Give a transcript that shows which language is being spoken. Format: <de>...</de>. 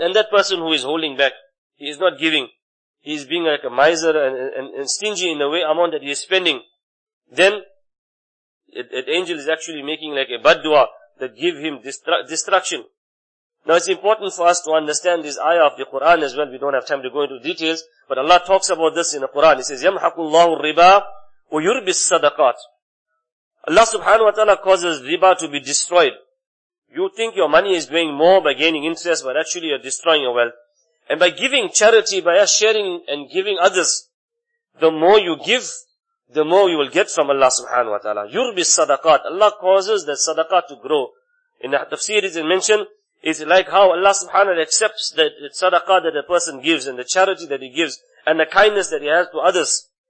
<en>And that person who is holding back, he is not giving, he is being like a miser and stingy in the way amount that he is spending. Then an angel is actually making like a bad dua that give him destruction. Now it's important for us to understand this ayah of the Quran as well. We don't have time to go into details, but Allah talks about this in the Quran. He says,</en> <ar>يَمْحَقُ اللَّهُ الرِّبَا وَيُرْبِ الصَّدَقَاتِ.</ar> <en>Allah subhanahu wa ta'ala causes riba to be destroyed. You think your money is doing more by gaining interest, but actually you're destroying your wealth. And by giving charity, by us sharing and giving others, the more you give, the more you will get from Allah subhanahu wa ta'ala.</en> <ar>يُرْبِ الصَّدَقَاتِ.</ar> <en>Allah causes the sadaqat to grow. In the tafsir it is mentioned, it's like how Allah subhanahu wa ta'ala accepts the sadaqah that a person gives and the charity that he gives and the kindness that he has to others.</en>